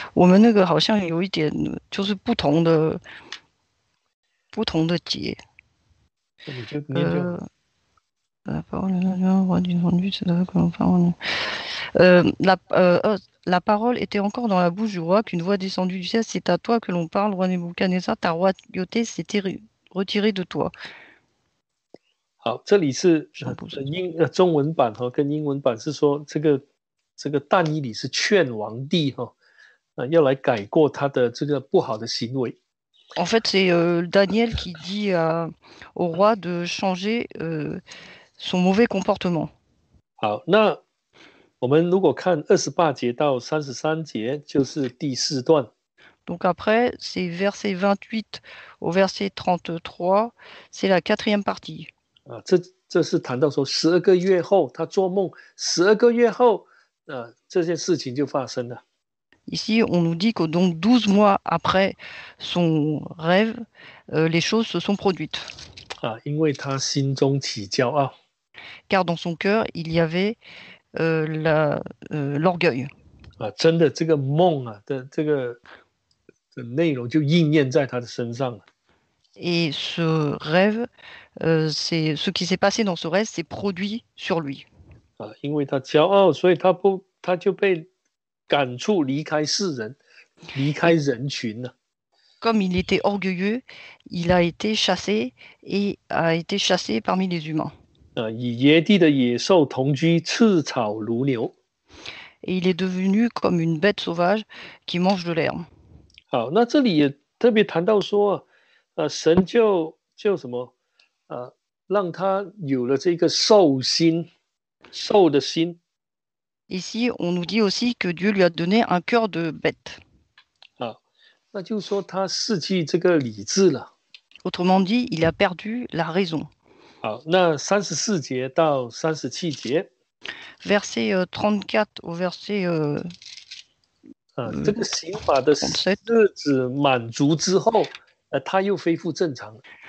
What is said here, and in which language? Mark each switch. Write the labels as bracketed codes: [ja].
[zh] 我们那个好像有一点，就是不同的节。 [fr] La parole était encore dans la bouche du roi qu'une voix descendue du ciel, c'est à toi que l'on parle, roi Nebuchadnezzar, ta royauté s'est retirée de toi. [zh] 好，这里是中文版和跟英文版是说这个但以理是劝王帝、哦要来改过他的这个不好的行为。 [fr] En fait, c'est Daniel qui dit au roi de changer son mauvais comportement. [zh] 好，那我们如果看二十八节到三十三节，就是第四段。 [fr] Donc après, c'est verset 28 au verset 33, c'est la quatrième partie. [zh] 啊，这是谈到说十二个月后他做梦，十二个月后。这件事情就发生了。 [fr] Ici, on nous dit que donc 12 mois après son rêve, les choses se sont produites. [zh] 啊，因为他心中起骄傲。 [fr] Car dans son cœur, il y avait l'orgueil. [zh] 啊，真的，这个梦啊的这个的内容就应验在他的身上了。 [fr] Et ce rêve, c'est ce qui s'est passé dans ce rêve, s'est produit sur lui. [zh] 啊、因为他骄傲，所以他就被赶出离开世人，离开人群了。 [fr] comme il était orgueilleux, il a été chassé et a été chassé parmi les humains. [zh] 与野地的野兽同居，吃草如牛。 [fr] Et il est devenu comme une bête sauvage qui mange de l'herbe. [zh] 好，那这里也特别谈到说，神就什么，让他有了这个兽心，兽的心。 [fr] Ici, on nous dit aussi que Dieu lui a donné un cœur de bête. [zh] 好，那就说他失去这个理智了。 [fr] Autrement dit, il a perdu la raison. [zh] 好，那34节到37节。 [fr] Verset 34 au verset 37.